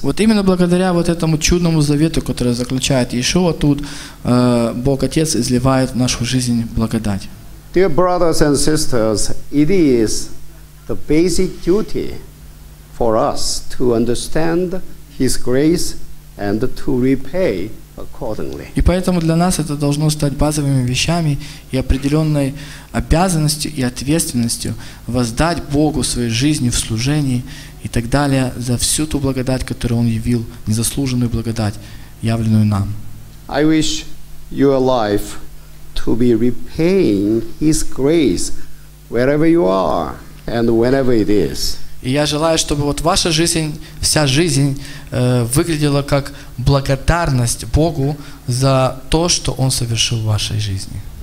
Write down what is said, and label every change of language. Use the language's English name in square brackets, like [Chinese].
[Russian] Вот именно благодаря вот этому чудному завету, который заключает Иешуа тут, Бог Отец изливает в нашу жизнь благодать. [English] Dear brothers and sisters, it is the basic duty for us to understand His grace and to repay accordingly. [Russian] И поэтому для нас это должно стать базовыми вещами и определенной обязанностью и ответственностью воздать Богу своей жизни в служении и так далее за всю ту благодать, которую Он явил, незаслуженную благодать, явленную нам. [English] I wish your life to be repaying His grace wherever you are and whenever it is. [Russian] И я желаю, чтобы вот ваша жизнь, вся жизнь выглядела как благодарность Богу за то, что Он совершил в вашей жизни.